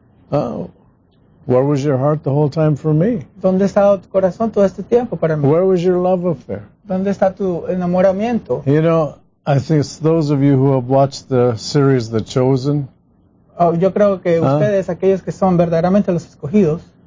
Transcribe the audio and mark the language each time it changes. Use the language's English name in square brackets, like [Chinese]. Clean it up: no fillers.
[English] Oh, where was your heart the whole time for me? [Spanish] ¿Dónde estaba tu corazón todo este tiempo para mí? [English] Where was your love affair? [Spanish] ¿Dónde está tu enamoramiento? [English] You know, I think it's those of you who have watched the series The Chosen. [Spanish] Oh, yo creo que ustedes, aquellos que son verdaderamente los escogidos,